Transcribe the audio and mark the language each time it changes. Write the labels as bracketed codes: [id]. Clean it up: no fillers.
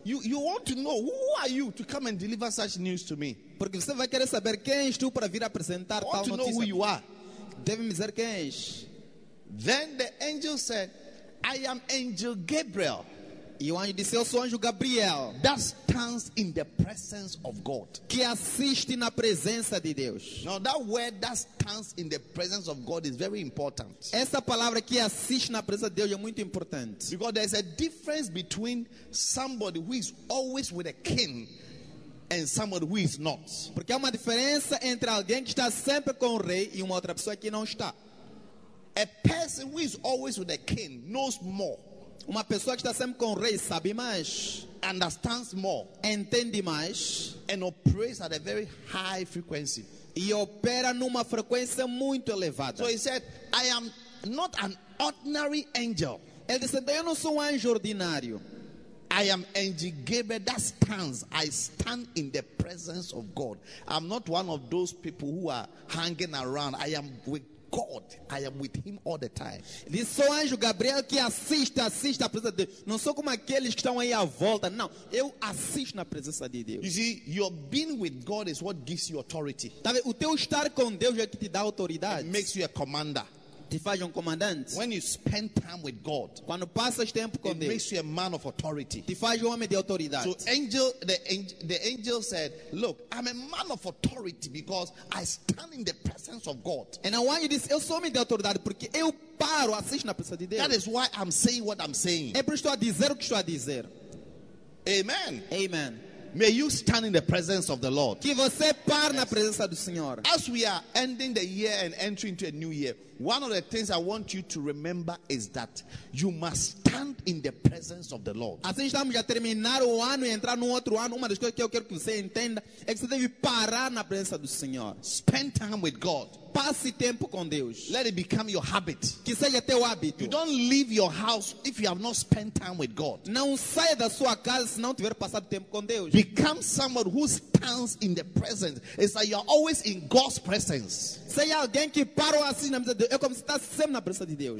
[en] You want to know who are you to come and deliver such news to me? [pt] Porque você vai querer saber quem és tu para vir apresentar tal notícia. [en] Want to know who you are? [pt] Deve me dizer quem és. [en] Then the angel said, I am Angel Gabriel. [pt] E o anjo disse, eu sou o anjo Gabriel. [en] That stands in the presence of God. [pt] Que assiste na presença de Deus. [en] Now that word that stands in the presence of God is very important. [pt] Essa palavra que assiste na presença de Deus é muito importante. [en] Because there is a difference between somebody who is always with a king and somebody who is not. [pt] Porque há uma diferença entre alguém que está sempre com o rei e uma outra pessoa que não está. [en] A person who is always with a king knows more. [pt] Uma pessoa que está sempre com o rei sabe mais, [en] understands more, [pt] entende mais, [en] and operates at a very high frequency. [pt] E opera numa frequência muito elevada. [en] So he said, I am not an ordinary angel. [pt] Ele disse, eu não sou um anjo ordinário. [en] I am Angel Gabriel that stands. I stand in the presence of God. I'm not one of those people who are hanging around. I am with God, I am with him all the time. [pt] Diz, sou anjo Gabriel que assiste a presença de Deus. Não sou como aqueles que estão aí à volta. Não, eu assisto na presença de Deus. [en] You see, your being with God is what gives you authority. [pt] Tá vendo? O teu estar com Deus é que te dá autoridade. [en] It makes you a commander. [pt] Te faz comandante. [en] When you spend time with God, [pt] quando passas tempo com [en] it [pt] Deus, [en] it makes you a man of authority. [pt] Te faz homem de autoridade. [en] So the angel said, look, I'm a man of authority because I stand in the presence of God. And I want you to say, [pt] eu sou homem de autoridade porque eu paro, assisto na presença de Deus. [en] That is why I'm saying what I'm saying. [pt] É por isso que estou a dizer o que estou a dizer. [en] Amen. [pt] Amen. [en] May you stand in the presence of the Lord. [pt] Que você pare na presença do Senhor. [en] As we are ending the year and entering into a new year, one of the things I want you to remember is that you must stand in the presence of the Lord. [pt] Assim estamos a terminar o ano e entrar no outro ano, uma das coisas que eu quero que você entenda é que você deve parar na presença do Senhor. [en] Spend time with God. [pt] Passe tempo com Deus. [en] Let it become your habit. [pt] Que seja teu hábito. [en] You don't leave your house if you have not spent time with God. [pt] Não saia da sua casa se não tiver passado tempo com Deus. [en] Become someone who stands in the presence. It's like you're always in God's presence. [pt] Seja alguém que parou assim na presença de Deus. É como se estivesse sempre na presença de Deus.